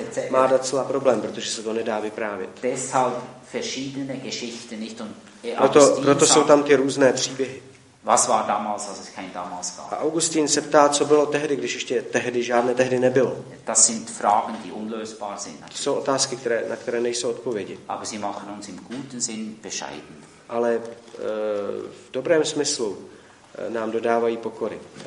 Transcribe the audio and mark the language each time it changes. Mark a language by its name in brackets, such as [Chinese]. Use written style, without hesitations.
[Czech] Má docela problém, protože se to nedá vyprávět. [German] Deshalb verschiedene Geschichten nicht und [Czech] proto jsou tam ty různé příběhy. [German] Was war damals, als es kein damals gab? [Czech] A Augustin se ptá, co bylo tehdy, když ještě tehdy žádné tehdy nebylo. [German] Das sind Fragen, die unlösbar sind. [Czech] To jsou otázky, které, na které nejsou odpovědi. [German] Aber sie machen uns im guten Sinn bescheiden. [Czech] Ale v dobrém smyslu nám dodávají pokory.